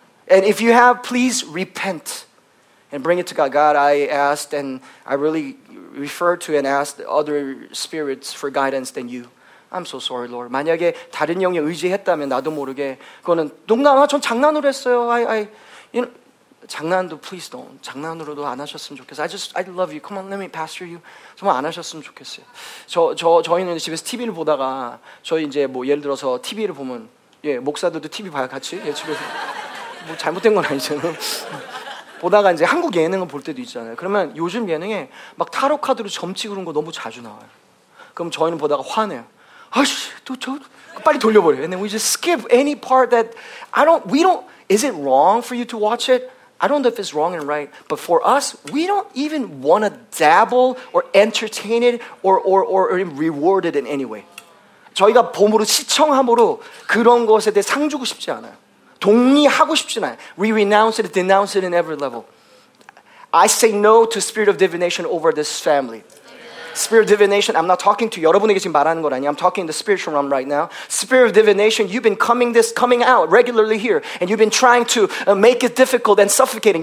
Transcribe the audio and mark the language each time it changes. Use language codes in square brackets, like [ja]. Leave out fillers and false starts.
[en] And if you have, please repent and bring it to God. God, I asked and I really referred to and asked other spirits for guidance than you. I'm so sorry, Lord. [ko] 만약에 다른 영역 의지했다면 나도 모르게 그거는 농담, 전 장난으로 했어요. [en] I, you know, [ko] 장난도 [en] please don't. [ko] 장난으로도 안 하셨으면 좋겠어요. [en] I love you. Come on, let me pastor you. [ko] 정말 안 하셨으면 좋겠어요. 저희는 집에서 TV를 보다가 저희 이제 뭐 예를 들어서 TV를 보면 예 목사들도 TV 봐요 같이 예 집에서. 뭐 잘못된 건 아니죠. 보다가 이제 한국 예능을 볼 때도 있잖아요. 그러면 요즘 예능에 막 타로 카드로 점치 그런 거 너무 자주 나와요. 그럼 저희는 보다가 화내요. 아씨, 또 빨리 돌려버려요. [en] And then we just skip any part that is it wrong for you to watch it? I don't know if it's wrong and right, but for us, we don't even want to dabble or entertain it or reward it in any way. [ko] 저희가 봄으로 시청함으로 그런 것에 대해 상 주고 싶지 않아요. 동의하고 싶진 않아요. [en] We renounce it, denounce it in every level. I say no to spirit of divination over this family. Spirit of divination, I'm not talking to you. [ko] 여러분에게 지금 말하는 건 아니에요. [en] I'm talking the spiritual realm right now. Spirit of divination, you've been coming out regularly here, and you've been trying to make it difficult and suffocating.